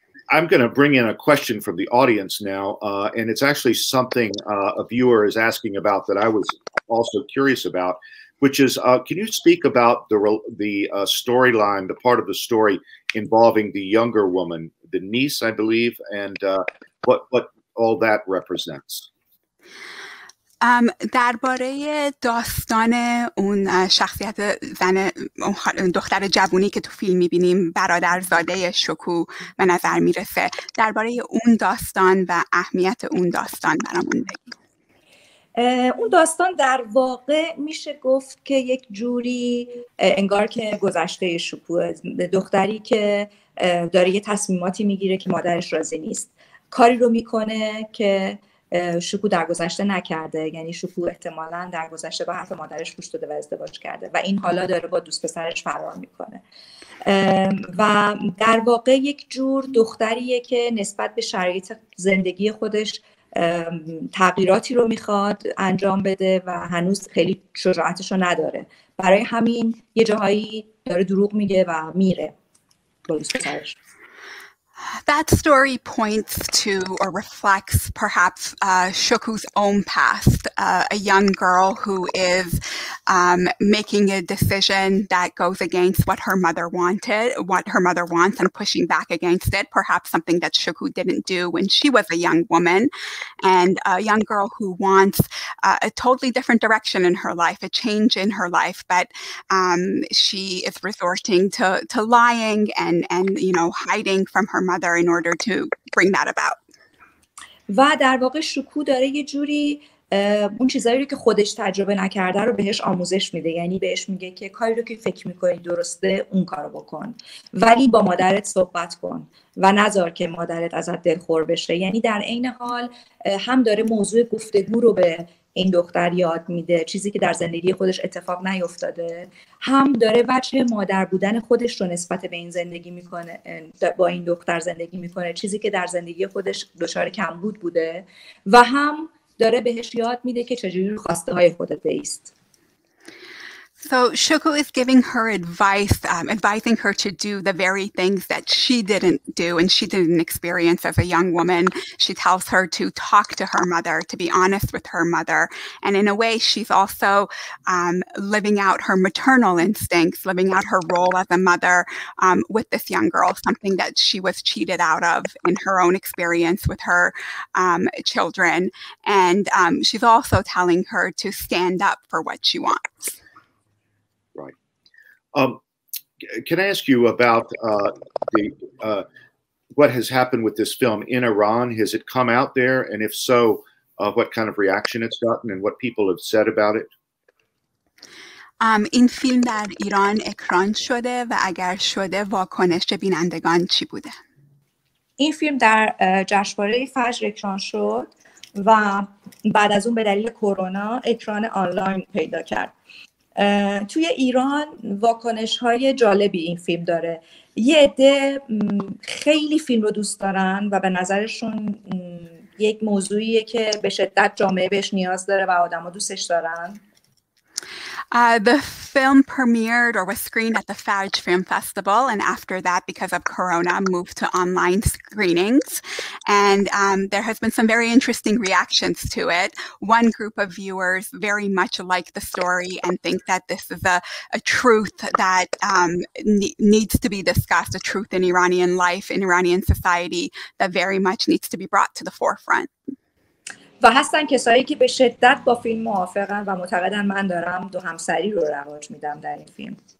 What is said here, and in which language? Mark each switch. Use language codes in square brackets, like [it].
[en] I'm going to bring in a question from the audience now. And it's actually something a viewer is asking about that I was also curious about, which is, can you speak about the storyline, the part of the story involving the younger woman, the niece, I believe, and what all that represents? [fa] درباره داستان اون شخصیت زن دختر جوونی که تو فیلم میبینیم برادرزاده شکو به نظر میرسه، درباره اون داستان و اهمیت اون داستان برامون بگیم. اون داستان در واقع میشه گفت که یک جوری انگار که گذشته شکو، دختری که داره یه تصمیماتی میگیره که مادرش راضی نیست، کاری رو میکنه که شکو در گذشته نکرده، یعنی شکو احتمالاً در گذشته با حرف مادرش گوش داده و ازدواج کرده و این حالا داره با دوست پسرش فرار میکنه و در واقع یک جور دختریه که نسبت به شرایط زندگی خودش تغییراتی رو میخواد انجام بده و هنوز خیلی شجاعتش رو نداره، برای همین یه جاهایی داره دروغ میگه و میره با دوست پسرش. [en] That story points to or reflects perhaps Shoku's own past, a young girl who is making a decision that goes against what her mother wanted, what her mother wants, and pushing back against it, perhaps something that Shoku didn't do when she was a young woman, and a young girl who wants a totally different direction in her life, a change in her life, but she is resorting to lying and you know hiding from her mother there in order to bring that about. [fa] و در واقع شکو داره یه جوری اون چیزایی رو که خودش تجربه نکرده رو بهش آموزش میده، یعنی بهش میگه که کاری رو که فکر میکنی درسته اون کارو بکن ولی با مادرت صحبت کن و نذار که مادرت ازت دلخور بشه، یعنی در این حال هم داره موضوع گفتگو رو به این دختر یاد میده، چیزی که در زندگی خودش اتفاق نیفتاده، هم داره وجه مادر بودن خودش رو نسبت به این زندگی میکنه، با این دختر زندگی میکنه، چیزی که در زندگی خودش دچار کمبود بوده، و هم داره بهش یاد میده که چجوری خواسته های خودت بیست. [en] So Shoku is giving her advice, advising her to do the very things that she didn't do and she didn't experience as a young woman. She tells her to talk to her mother, to be honest with her mother. And in a way, she's also living out her maternal instincts, living out her role as a mother with this young girl, something that she was cheated out of in her own experience with her children. And she's also telling her to stand up for what she wants. Can I ask you about what has happened with this film in Iran? Has it come out there? And if so, what kind of reaction it's gotten and what people have said about it? [fa] این فیلم در ایران اکران شده و اگر شده واکنش بینندگان چی بوده؟ این فیلم در جشنواره فجر اکران شد و بعد از اون به دلیل کرونا اکران آنلاین پیدا کرد. توی ایران واکنش‌های جالبی این فیلم داره. یه عده خیلی فیلم رو دوست دارن و به نظرشون یک موضوعیه که به شدت جامعه بهش نیاز داره و آدم ها دوستش دارن. [en] The film premiered or was screened at the Faj Film Festival, and after that, because of Corona, moved to online screenings. And there has been some very interesting reactions to it. One group of viewers very much like the story and think that this is a truth that needs to be discussed, a truth in Iranian life, in Iranian society, that very much needs to be brought to the forefront. [fa] و هستن کسایی که به شدت با فیلم موافقن و معتقدن من دارم دو همسری رو رواج میدم در این فیلم.